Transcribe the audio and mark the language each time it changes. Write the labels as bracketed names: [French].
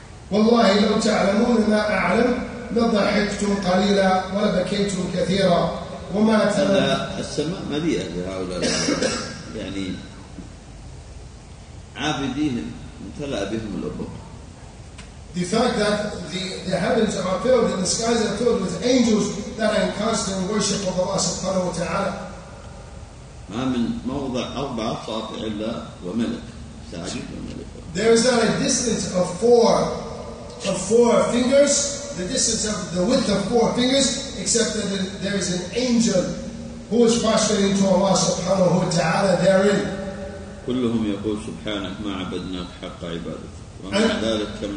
[Arabic] والله لو تعلمون ما أعلم لضحكتم قليلا ولبكيتم كثيرا. وما السماء مليئة لهؤلاء يعني عابديهم امتلأ بهم الأبواب. [English] The fact that the heavens are filled and the skies are filled with angels that are in constant worship of Allah subhanahu wa ta'ala. [Arabic] ما من موضع أربع أصابع إلا وملك ساجد وملك. [English] There is not a distance of four fingers, the distance of the width of four fingers, except that there is an angel who is prostrating to Allah subhanahu wa ta'ala therein. [Arabic] كلهم يقول سبحانك ما عبدناك حق عبادتك.